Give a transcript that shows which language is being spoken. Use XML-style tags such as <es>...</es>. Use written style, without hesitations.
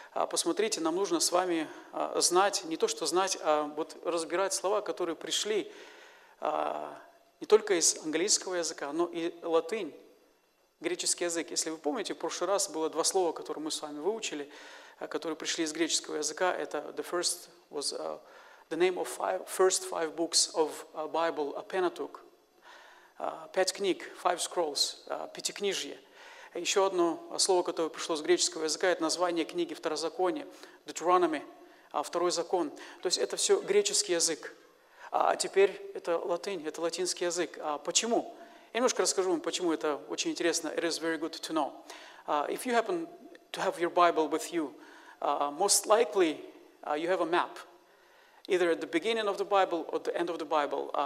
<ru>Посмотрите, нам нужно с вами знать, не то что знать, а вот разбирать слова, которые пришли не только из английского языка, но и латынь, греческий язык. Если вы помните, в прошлый раз было два слова, которые мы с вами выучили, которые пришли из греческого языка.</ru> <en>Это the first was the name of first five books of Bible, a Pentateuch.</en> <ru>Пять книг,</ru> <en>five scrolls,</en> <ru>пятикнижье. Еще одно слово, которое пришло из греческого языка, это название книги Второзакония, Deuteronomy, второй закон. То есть это все греческий язык. А теперь это латынь, это латинский язык. Почему? Я немножко расскажу вам, почему это очень интересно.</ru> <en>It is very good to know. If you happen to have your Bible with you, most likely you have a map. Either at the beginning of the Bible or the end of the Bible.</en>